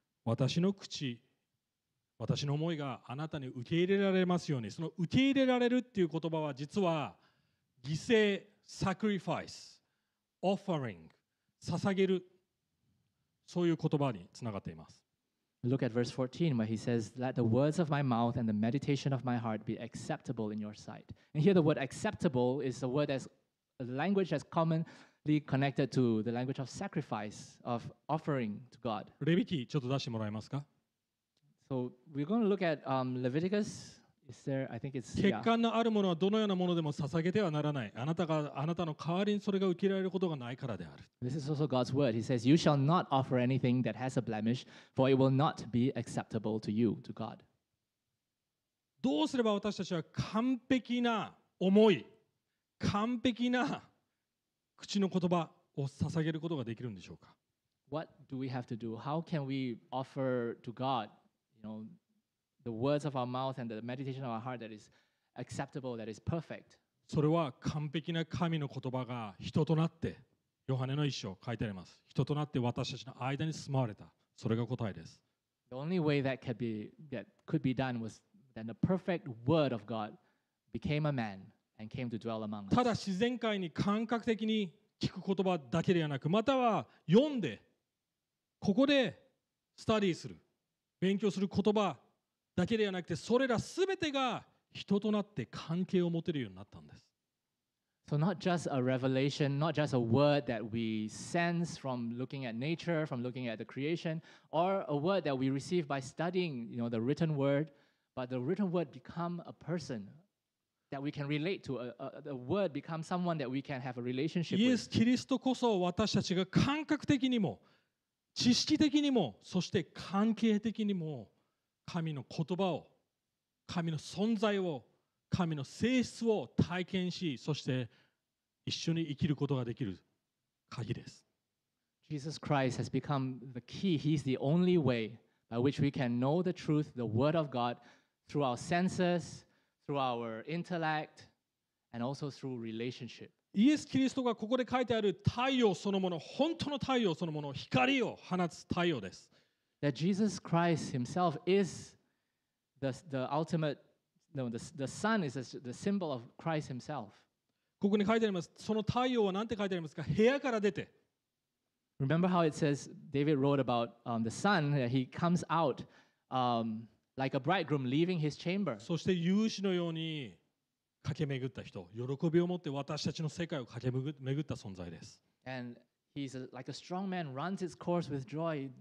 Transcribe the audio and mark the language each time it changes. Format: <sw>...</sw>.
<ja>私の口、私の思いがあなたに受け入れられますように。その受け入れられるっていう言葉は実は犠牲、sacrifice、offering、捧げる、そういう言葉につながっています。</ja> <en>Look at verse 14 where he says, Let the words of my mouth and the meditation of my heart be acceptable in your sight. And here the word acceptable is the word that'sA language that's commonly connected to the language of sacrifice, of offering to God.</en> <ja>レビキちょっと出してもらえますか?</ja> <en>So we're going to look at Leviticus. Is there, I think it's, yeah.</en> <ja>欠陥のあるものはどのようなものでも捧げてはならない。あなたの代わりにそれが受けられることがないからである。</ja> <en>This is also God's word. He says, you shall not offer anything that has a blemish, for it will not be acceptable to you, to God.</en> <ja>どうすれば私たちは完璧な思い完璧な口の言葉を捧げることができるんでしょうか。</ja> <en>What do we have to do? How can we offer to God, you know, the words of our mouth and the meditation of our heart that is acceptable, that is perfect?</en> <ja>それは完璧な神の言葉が人となって、ヨハネの一章書いてあります。人となって私たちの間に住まわれた。それが答えです。</ja> <en>The only way that could be done was that the perfect word of God became a man. And came to dwell among us.</en> <ja>ただ自然界に感覚的に聞く言葉だけではなく、または読んでここでスタディする勉強する言葉だけではなくて、それらすべてが人となって関係を持てるようになったんです。</ja> <en>So not just a revelation, not just a word that we sense from looking at nature, from looking at the creation, or a word that we receive by studying, you know, the written word, but the written word become a person. That we can relate to the word become someone that we can have a relationship with.</en> <ja>イエス・キリストこそ私たちが感覚的にも知識的にもそして関係的にも神の言葉を神の存在を神の性質を体験しそして一緒に生きることができる鍵です。</ja> <en>Jesus Christ has become the key. He's the only way by which we can know the truth, the word of God through our senses. Through our intellect and also through relationship.</en> <ja>イエス・キリストがここで書いてある太陽そのもの、本当の太陽そのもの、光を放つ太陽です。</ja> <en>That Jesus Christ himself is the ultimate, no, the sun is the symbol of Christ himself.</en> <ja>ここに書いてあります。その太陽はなんて書いてありますか? 部屋から出て。</ja> <en>Remember how it says David wrote about the sun, that he comes out. Like a bridegroom leaving his chamber.</en> <ja>そして勇士のように駆け巡った人、喜びを持って私たちの世界を駆け巡った存在です。</ja> <en>And he's like a strong man, runs his course with joy.</en>